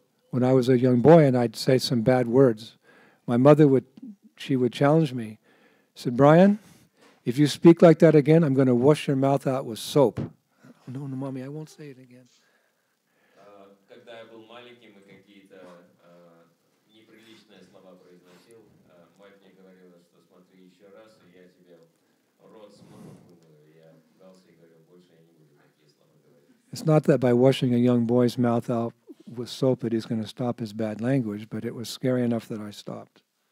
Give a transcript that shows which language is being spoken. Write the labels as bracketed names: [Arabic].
[English] When I was a young boy and I'd say some bad words, my mother would challenge me. She said, "Brian, if you speak like that again, I'm going to wash your mouth out with soap." "Oh, no, no, mommy, I won't say it again." [Russian] Когда я был маленьким и какие-то неприличные слова произносил, мать мне говорила, что смотри еще раз, и я тебе рот смою. Я пытался и говорил, больше я не буду такие слова говорить. [English] It's not that by washing a young boy's mouth out with soap that he's going to stop his bad language, but it was scary enough that I stopped.